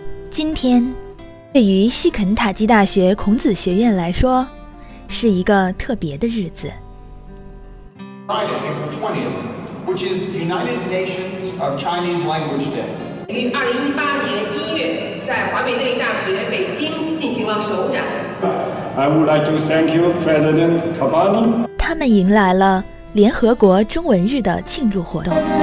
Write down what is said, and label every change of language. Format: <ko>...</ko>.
<zh>今天，对于西肯塔基大学孔子学院来说，是一个特别的日子。</zh> <en>Friday, April 20th, which is United Nations of Chinese Language Day.</en> <zh>于2018年1月，在华美电力大学北京进行了首展。</zh> <en>I would like to thank you, President Cabana.</en> <zh>他们迎来了联合国中文日的庆祝活动。</zh>